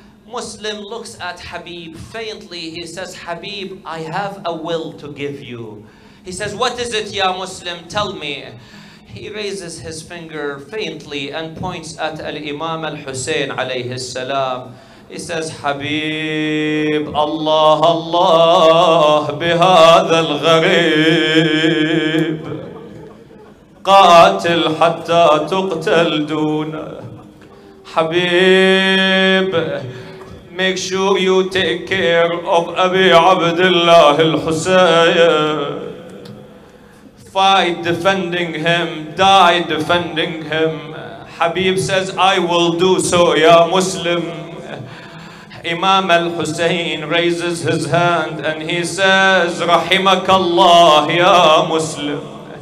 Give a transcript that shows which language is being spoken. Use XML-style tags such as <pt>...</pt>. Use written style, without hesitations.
<en>Muslim looks at Habib faintly. He says, Habib, I have a will to give you. He says, what is it, ya Muslim? Tell me. He raises his finger faintly and points at Al-Imam Al-Hussein alayhi salam. He says, Habib,</en> <ar>Allah, Allah, بهذا الغريب قاتل حتى تقتل دون حبيب.</ar> <en>Make sure you take care of Abi Abdullah Al-Hussein. Fight defending him, die defending him. Habib says, I will do so, ya Muslim. Imam Al-Hussein raises his hand and he says, Rahimak Allah, ya Muslim.</en>